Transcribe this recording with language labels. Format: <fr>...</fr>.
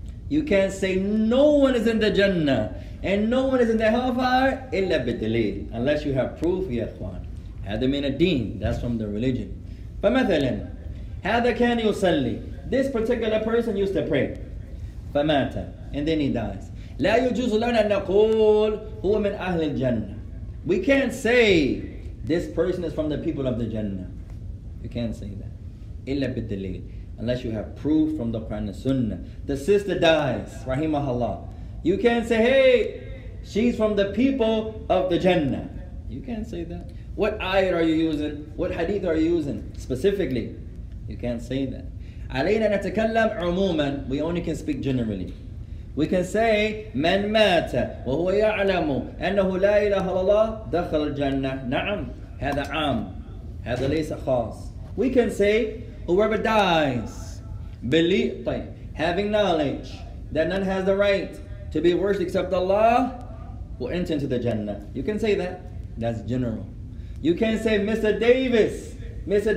<en>You can't say no one is in the Jannah and no one is in the hellfire,</en> <ar>إلا بالدليل,</ar> <en>unless you have proof.</en> <ar>يا إخوان, هذا من الدين.</ar> <en>That's from the religion.</en> <ar>فمثلا هذا كان يصلي.</ar> <en>This particular person used to pray.</en> <ar>فمات.</ar> <en>And then he dies.</en> <ar>لا يجوز لنا أن نقول هو من أهل الجنة.</ar> <en>We can't say this person is from the people of the Jannah. You can't say that.</en> <ar>إلا بالدليل.</ar> <en>Unless you have proof from the Quran and Sunnah. The sister dies.</en> <ar>رحمه الله.</ar> <en>You can't say, hey, she's from the people of the Jannah. You can't say that. What ayat are you using? What hadith are you using specifically? You can't say that.</en> <ar>علينا نتكلم عموما.</ar> <en>We only can speak generally. We can say</en> <ar>من مات وهو يعلم أنه لا إله إلا الله دخل الجنة. نعم هذا عام, هذا ليس خاص.</ar> <en>We can say whoever dies believe, طيب, having knowledge that none has the right to be worshipped except Allah will enter into the Jannah. You can say that. That's general. You can't say Mr. Davis. Mr.</en>